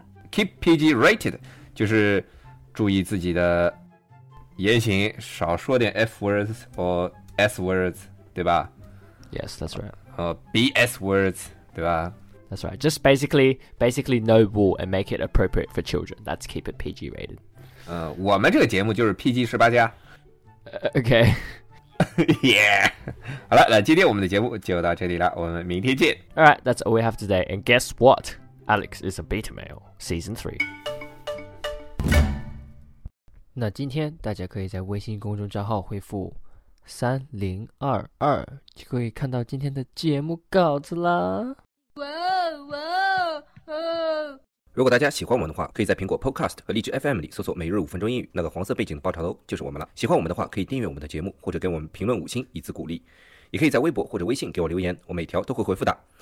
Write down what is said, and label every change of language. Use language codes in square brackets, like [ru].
[en] Keep PG rated [zh] 就是注意自己的言行，少说点 [en] F words or S words， [zh] 对吧 [en] ？Yes, that's right. BS words, [zh] 对吧 [en] That's right. Just basically no wool and make it appropriate for children. That's keep it PG rated. [zh] 我们这个节目就是 PG 十八加。 [en] Okay. yeah. [zh] 好了，那今天我们的节目就到这里了，我们明天见。 [en] All right, that's all we have today. And guess what? Alex is a beta male, season 3. [zh] 那今天大家可以在微信公众账号回复3022就可以看到今天的节目稿子啦。哇哇哦！如果大家喜欢我们的话，可以在苹果 Podcast 和荔枝 FM 里搜索每日五分钟英语，那个黄色背景的爆炒头就是我们了。喜欢我们的话，可以订阅我们的节目，或者给我们评论五星以资鼓励，也可以在微博或者微信给我留言，我每条都会回复的。